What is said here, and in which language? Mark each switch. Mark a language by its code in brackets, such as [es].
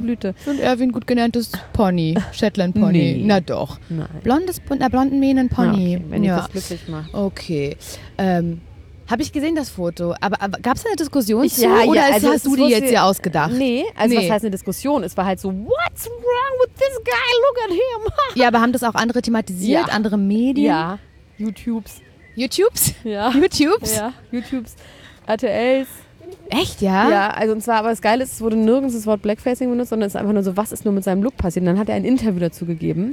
[de] Blüte. Und Erwin, gut genanntes Pony, Shetland Pony. Nee. Na doch. Nein. Blondes, einer blonden Mähnen Pony. Okay. Wenn ihr das glücklich macht. Okay. Habe ich gesehen, das Foto. Aber gab es eine Diskussion hast du die jetzt hier ausgedacht? Nee. Was heißt eine Diskussion? Es war halt so, [en] what's wrong with this guy? Look at him. [de] Ja, aber haben das auch andere thematisiert? Ja. Andere Medien? Ja. YouTubes. YouTubes? Ja. YouTubes? Ja. YouTubes. RTLs. Echt, ja? Ja, also und zwar, aber das Geile ist, es wurde nirgends das Wort Blackfacing benutzt, sondern es ist einfach nur so, was ist nur mit seinem Look passiert? Und dann hat er ein Interview dazu gegeben.